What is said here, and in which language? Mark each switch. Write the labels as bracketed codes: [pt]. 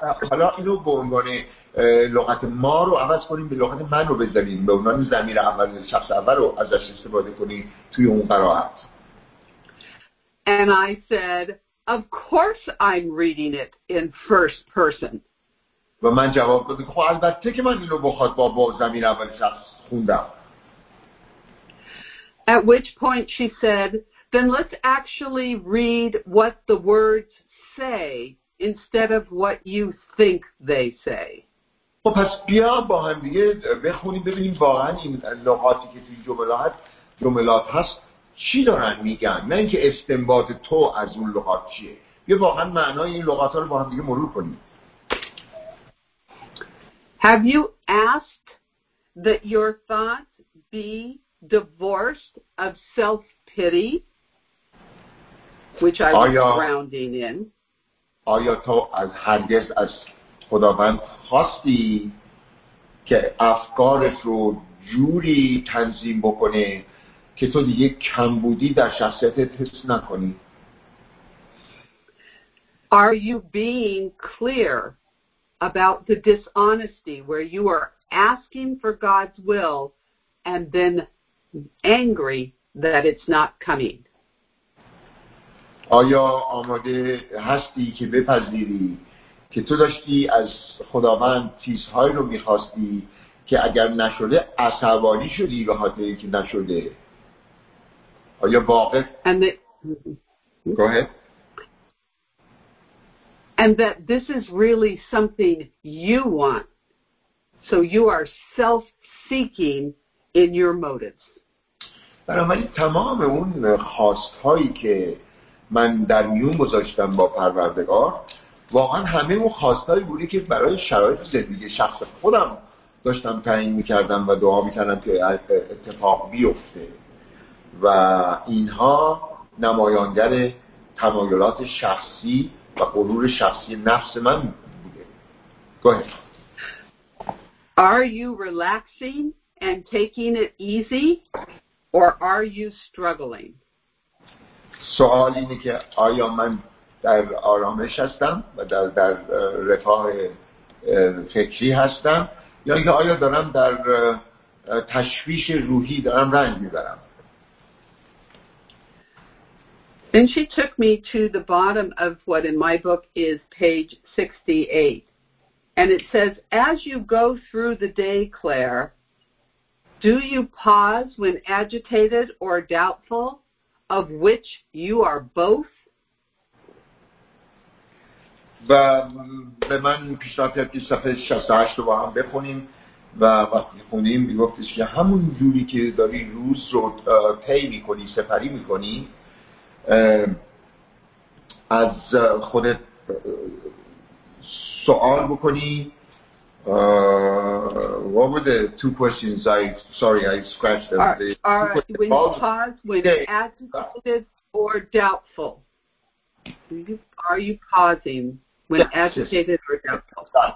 [fa] حالا اینو به عنوان لغت ما رو عوض کنیم، به لغت من رو بزنیم، به عنوان ضمیر اول شخص اول رو ازش استفاده کنیم توی اون قرائت. [en] And I said, of course I'm reading it in first person. [fa] و من جواب دادم، خب البته که من اینو بخواد با ضمیر اول شخص خوندم. [en] At which point she said, then let's actually read what the words say instead of what you think they say. [fa] خب پس بیا با هم دیگه بخونیم ببینیم واقعا این لغاتی که توی جملات هست چی دارن میگن، نه اینکه استنباط تو از اون لغات چیه. بیا واقعا معنای این لغات ها رو با هم دیگه مرور کنیم. [en] Have you asked that your thoughts be divorced of self-pity, which I was grounding in? [fa] آیا تو از هرگز از خداوند خواستی که افکارت رو جوری تنظیم بکنه که تو دیگه کمبودی در شخصیتت حس نکنی؟ [en] Are you being clear about the dishonesty where you are asking for God's will and then angry that it's not coming? [fa] آیا آماده هستی که بپذیری که تو داشتی از خداوند چیزهایی رو میخواستی که اگر نشده عصبانی شدی به خاطر اینکه نشده؟ آیا واقع؟ [en] Go ahead. And that this is really something you want, so you are self-seeking in your motives. [fa] بنابراین تمام اون خواستهایی که من در میون گذاشتم با پروردگار واقعا همه اون خواستایی بودی که برای شرایط زندگی شخص خودم داشتم تعیین میکردم و دعا میکردم که اتفاق بیفته و اینها نمایانگر تمایلات شخصی و غرور شخصی نفس من بوده. [en] Go ahead. Are you relaxing and taking it easy or are you struggling? [fa] سوال اینه که آیا من در آرامش هستم و در رفاه فکری هستم یا اینکه آیا دارم در تشویش روحی دارم رنج میبرم. [en] Then she took me to the bottom of what in my book is page 68 and it says, as you go through the day, Claire, do you pause when agitated or doubtful of which you are both? [fa] و به من پیشنهاد کرد که صفحه 68 رو با هم بخونیم و وقتی خونیم میگفتش که همون جوری که داری روز رو پی میکنی، سپری میکنی، از خودت سوال بکنی [en] What were the two questions? I scratched them. When you pause, when agitated or doubtful, are you pausing when agitated or doubtful?